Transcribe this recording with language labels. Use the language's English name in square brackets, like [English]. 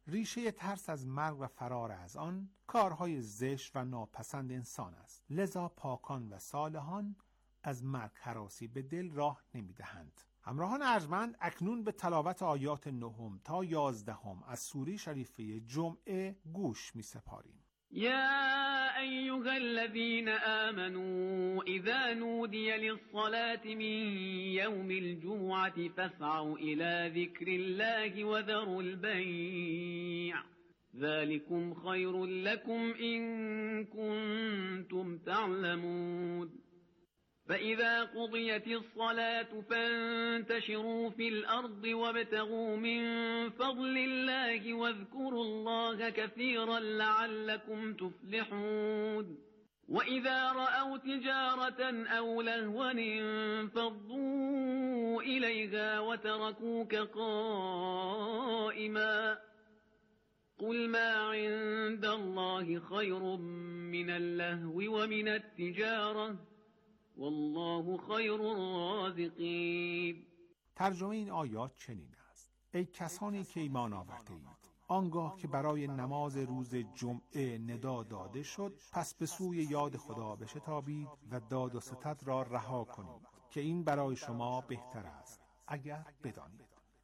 [Persian] ریشه ترس از مرگ و فرار از آن کارهای زشت و ناپسند انسان است. لذا پاکان و صالحان از مرگ هراسی به دل راه نمی دهند. همراهان ارجمند، اکنون به تلاوت آیات نهم تا یازدهم از سوره شریفه جمعه گوش می سپاریم. [Arabic] يا أيها الذين آمنوا إذا نودي للصلاة من يوم الجمعة فاسعوا إلى ذكر الله وذروا البيع ذلكم خير لكم إن كنتم تعلمون فإذا قضيت الصلاة فانتشروا في الأرض وابتغوا من فضل الله واذكروا الله كثيرا لعلكم تفلحون وإذا رأوا تجارة أو لهوا انفضوا إليها وتركوك قائما قل ما عند الله خير من اللهو ومن التجارة والله خیر الرازقین. [Persian] ترجمه این آیات چنین است: ای کسانی که ایمان آورده اید، آنگاه که برای نماز روز جمعه ندا داده شد، پس به سوی یاد خدا بشتابید و داد و ستد را رها کنید که این برای شما بهتر است اگر بدانید.